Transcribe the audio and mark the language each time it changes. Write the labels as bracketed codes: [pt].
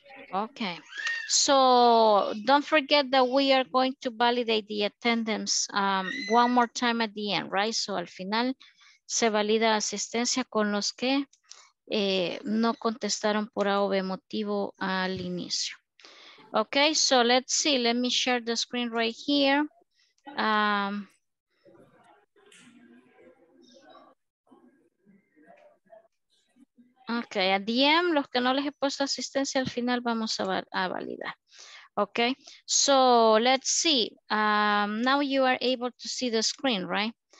[en] Okay, so don't forget that we are going to validate the attendance one more time at the end, right? [es] So al final se valida asistencia con los que no contestaron por A o B motivo al inicio. [en] Okay, so let's see. Let me share the screen right here. [es] Ok, a DM, los que no les he puesto asistencia al final vamos a validar. [en] Ok, so let's see. Now you are able to see the screen, right?